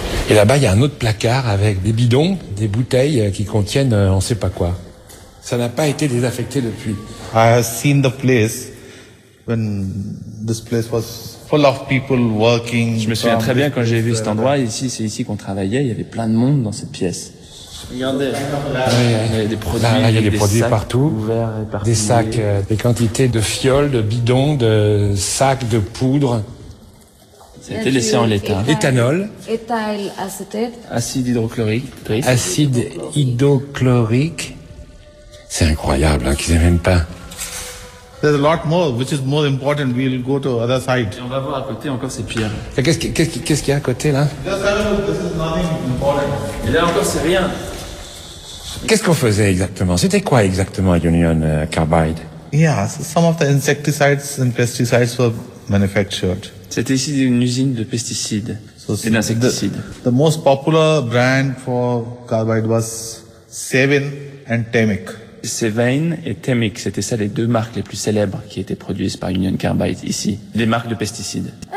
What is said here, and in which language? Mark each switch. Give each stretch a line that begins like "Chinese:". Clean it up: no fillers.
French: Et là-bas, il y a un autre placard avec des bidons, des bouteilles qui contiennent on ne sait pas quoi. Ça n'a pas été désaffecté depuis.
English: I have seen the place when this place was full of people working.
French: Je me souviens très bien quand j'ai vu cet endroit. Ici, c'est ici qu'on travaillait. Il y avait plein de monde dans cette pièce. Regardez, là, il y a des produits partout, des sacs, des quantités de fioles, de bidons, de sacs, de poudre. Ça a été laissé en l'état. Éthanol. Éthyl acétate. Acide hydrochlorique. C'est incroyable hein, qu'ils n'aient même pas.
English: There's a lot more, which is more important. We'll go to other side.
French: Et on va voir à côté encore ces pierres. Qu'est-ce qu'il y a à côté là? Et là encore c'est rien. Qu'est-ce qu'on faisait exactement? C'était quoi exactement Union Carbide?
English: Yeah, so some of the insecticides and pesticides were manufactured.
French: C'était ici une usine de pesticides et d'insecticides.
English: The most popular brand for carbide was Sevin and Temic.
French: Sevin et Temic, c'était ça les deux marques les plus célèbres qui étaient produites par Union Carbide ici, des marques de pesticides.